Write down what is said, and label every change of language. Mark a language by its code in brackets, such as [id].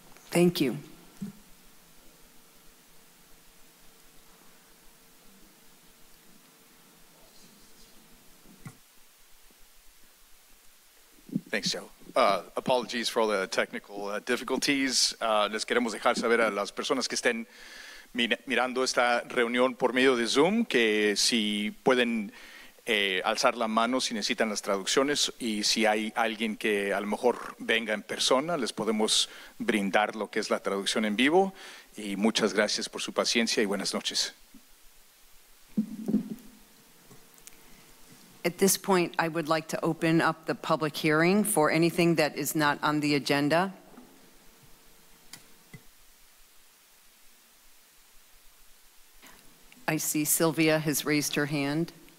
[en] Thank you. Thanks, Joe. Apologies for all the technical difficulties. [es] Les queremos dejar saber a las personas que estén mirando esta reunión por medio de Zoom que si pueden alzar la mano si necesitan las traducciones y si hay alguien que a lo mejor venga en persona, les podemos brindar lo que es la traducción en vivo. Y muchas gracias por su paciencia y buenas noches. [en] At this point, I would like to open up the public hearing for anything that is not on the agenda. I see Sylvia has raised her hand.